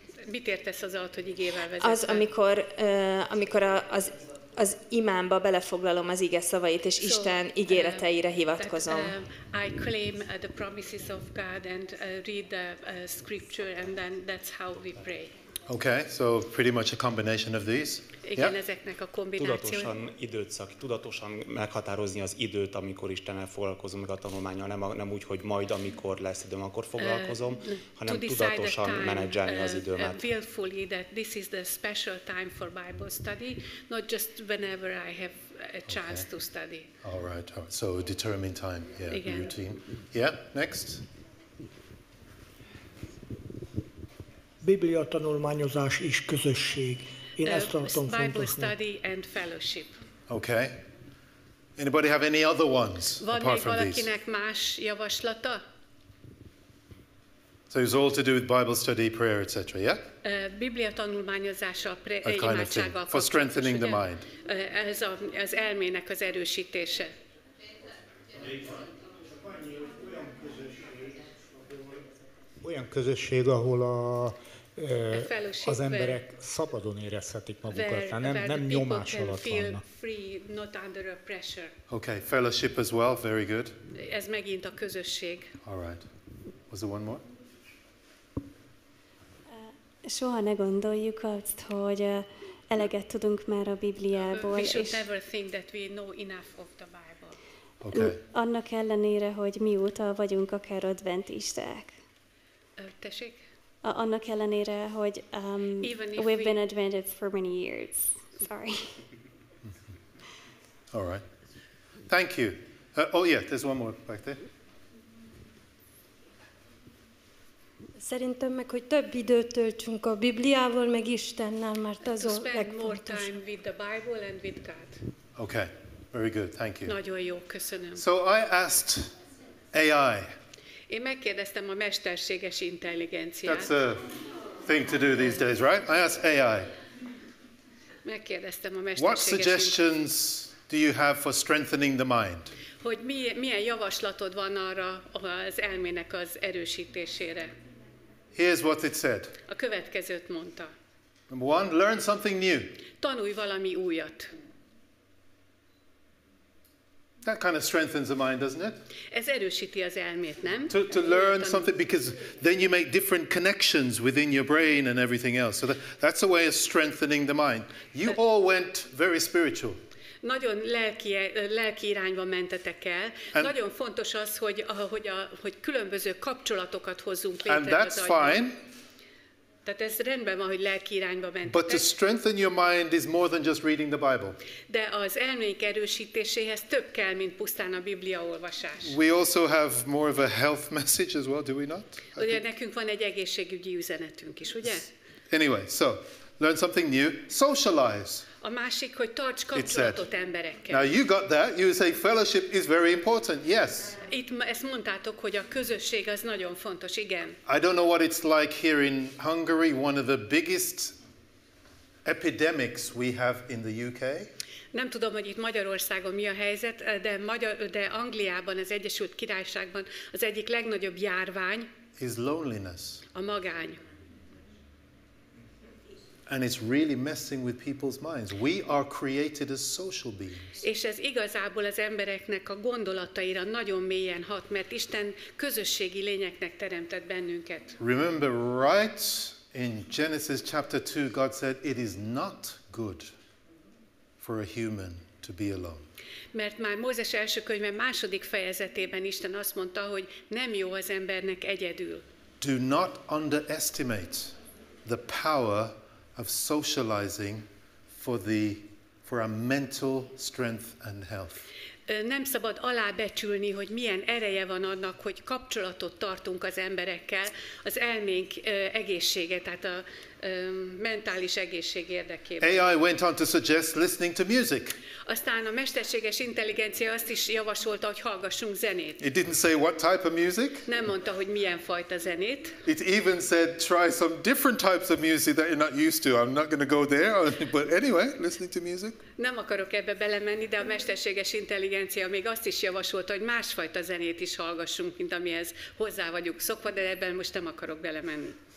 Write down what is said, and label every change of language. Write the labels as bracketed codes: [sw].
[hu] Mit értesz az alatt, hogy igével vezetve? Az, amikor az imámba belefoglalom az ige szavait, és Isten ígéreteire hivatkozom. [en] I claim the promises of God and read the scripture, and then that's how we pray. Okay, so pretty much a combination of these. [hu] Igen, [en] yeah. [hu] Ezeknek a kombinációja. Tudatosan meghatározni az időt, amikor Istennel foglalkozom meg a tanulmányon, nem úgy, hogy majd, amikor lesz időm, akkor foglalkozom, hanem tudatosan menedzselni az időmet. [en] Willfully that this is the special time for Bible study, not just whenever I have a chance to study. All right. So determined time, yeah, routine. Yeah, next. [hu] Biblia tanulmányozás és közösség. Én ezt tartom [en] Bible study and fellowship. Okay. Anybody have any other ones apart from these? [hu] Van valakinek más javaslata? [en] So it's all to do with Bible study, prayer, etc. Yeah. [hu] Biblia tanulmányozással, imádsággal. [en] A kind of thing. For strengthening the mind. [hu] Ez az elmének az erősítése. Olyan közösség, ahol az emberek szabadon érezhetik magukat, nem nyomás alatt vannak. [en] Free, not under a pressure. Okay, fellowship as well, very good. [hu] Ez megint a közösség. [en] All right. Was there one more? [hu] Soha ne gondoljuk azt, hogy eleget tudunk már a Bibliából. [en] We should never think that we know enough of the Bible. Okay. [hu] Annak ellenére, hogy mióta vagyunk akár adventisták. Tessék? Annak ellenére, hogy [en] we've been advented for many years. Sorry. All right. Thank you. There's one more back there. [hu] Szerintem meg, hogy több időt töltsünk a Bibliával, meg Istennel, mert az a legfontosabb. [en] To spend more time with the Bible and with God. Okay. Very good. Thank you. [hu] Nagyon jó, köszönöm. [en] So I asked AI. [hu] Én megkérdeztem a mesterséges intelligenciát. [en] That's a thing to do these days, right? I ask AI. [hu] Megkérdeztem a mesterséges. [en] What suggestions do you have for strengthening the mind? [hu] Hogy milyen javaslatod van arra az elmének az erősítésére? [en] Here's what it said. [hu] A következőt mondta. [en] Number one, learn something new. [hu] Tanulj valami újat. [en] That kind of strengthens the mind, doesn't it? [hu] Ez erősíti az elmét, nem? [en] To learn something, because then you make different connections within your brain and everything else. So that's a way of strengthening the mind. You all went very spiritual. [hu] Nagyon lelki irányba mentetek el. [en] And [hu] nagyon fontos az, hogy különböző kapcsolatokat hozzunk létre. [en] And that's fine. [hu] Tehát ez rendben van, hogy lelki irányba mentetek. [en] But to strengthen your mind is more than just reading the Bible. [hu] De az elménk erősítéséhez több kell, mint pusztán a Biblia olvasás. [en] We also have more of a health message as well, do we not? [hu] Ugye nekünk van egy egészségügyi üzenetünk is, ugye? [en] Anyway, so learn something new, socialize. [hu] A másik, hogy tarts kapcsolatot emberekkel. [en] Now you got that, you say fellowship is very important, yes. [hu] Itt ezt mondtátok, hogy a közösség az nagyon fontos, igen. [en] I don't know what it's like here in Hungary, one of the biggest epidemics we have in the UK. [hu] Nem tudom, hogy itt Magyarországon mi a helyzet, de Angliában, az Egyesült Királyságban az egyik legnagyobb járvány [en] is loneliness. [hu] A magány. [en] And it's really messing with people's minds. We are created as social beings. [hu] És ez igazából az embereknek a gondolataira nagyon mélyen hat, mert Isten közösségi lényeknek teremtett bennünket. [en] Remember right in Genesis chapter 2 God said it is not good for a human to be alone. [hu] Mert már Mózes első könyve második fejezetében Isten azt mondta, hogy nem jó az embernek egyedül. [en] Do not underestimate the power of socializing for our mental strength and health. [hu] Nem szabad alábecsülni, hogy milyen ereje van annak, hogy kapcsolatot tartunk az emberekkel, az elménk egészsége, tehát a mentális egészség érdekében. [en] AI went on to suggest listening to music. [hu] Aztán a mesterséges intelligencia azt is javasolta, hogy hallgassunk zenét. [en] It didn't say what type of music. [hu] Nem mondta, hogy milyen fajta zenét. [en] It even said try some different types of music that you're not used to. I'm not going to go there, but anyway, listening to music. [hu] Nem akarok ebbe belemenni, de a mesterséges intelligencia még azt is javasolta, hogy másfajta zenét is hallgassunk, mint amihez hozzá vagyunk szokva, de ebben most nem akarok belemenni.